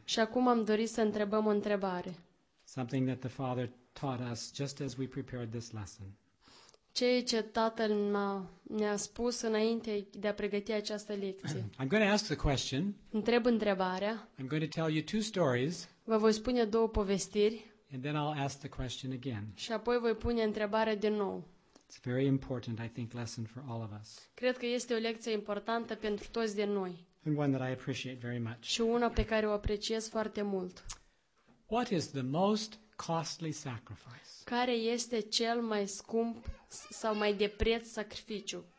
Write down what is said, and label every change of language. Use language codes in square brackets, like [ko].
[ro] Și acum am dorit să întrebăm o întrebare. [en] Something that the Father taught us just as we prepared this lesson. [ro] Ceea ce Tatăl ne-a spus înainte de a pregăti această lecție. [en] I'm going to ask the question. [ro] Întreb întrebarea. [en] I'm going to tell you two stories. [ro] Vă voi spune două povestiri. [en] And then I'll ask the question again. [ro] Și apoi voi pune întrebarea din nou. [en] It's a very important, I think, lesson for all of us. [ro] Cred că este o lecție importantă pentru toți din noi. [en] And one that I appreciate very much. [ro] Și una pe care o apreciez foarte mult. [en] What is the most costly sacrifice? [ro] Care este cel mai scump sau mai de preț sacrificiu?